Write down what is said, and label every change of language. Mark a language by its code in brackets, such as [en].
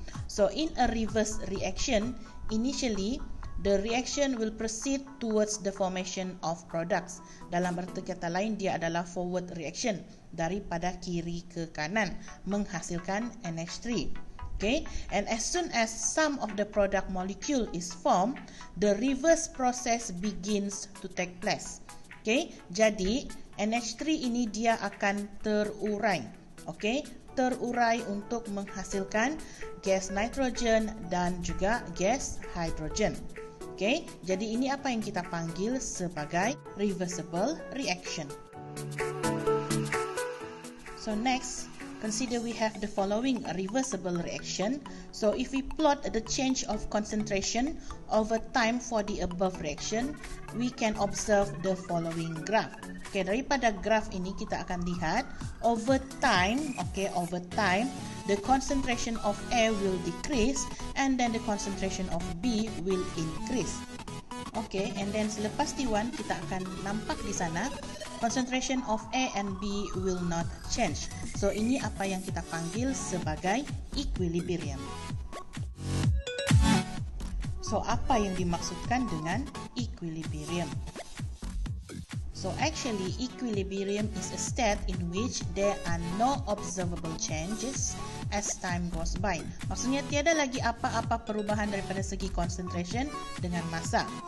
[en] So, in a reverse reaction, initially, the reaction will proceed towards the formation of products. [ms] Dalam erti kata lain, dia adalah forward reaction, daripada kiri ke kanan, menghasilkan NH3. [en] Okay, and as soon as some of the product molecule is formed, the reverse process begins to take place. [ms] Okay, jadi NH3 ini dia akan terurai. Okay, terurai untuk menghasilkan gas nitrogen dan juga gas hydrogen. Okay, jadi ini apa yang kita panggil sebagai reversible reaction. [en] So next, consider we have the following reversible reaction. So if we plot the change of concentration over time for the above reaction, we can observe the following graph. Okay, [ms] daripada graph ini kita akan lihat [en] over time, okay, over time the concentration of A will decrease and then the concentration of B will increase. Okay, and then [ms] selepas T1 kita akan nampak di sana [en] concentration of A and B will not change. [ms] So, ini apa yang kita panggil sebagai equilibrium. So, apa yang dimaksudkan dengan equilibrium? [en] So actually, equilibrium is a state in which there are no observable changes as time goes by. [ms] Maksudnya tiada lagi apa-apa perubahan daripada segi concentration dengan masa.